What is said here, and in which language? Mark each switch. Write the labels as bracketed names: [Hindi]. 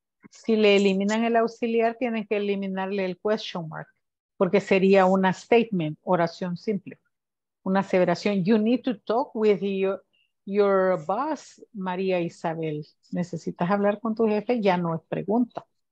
[Spanish] Si le eliminan el auxiliar, tienen que eliminarle el question mark, porque sería una statement, oración simple, una aseveración. [English] You need to talk with your boss, María Isabel. [Spanish] Necesitas hablar con tu jefe, ya no es pregunta.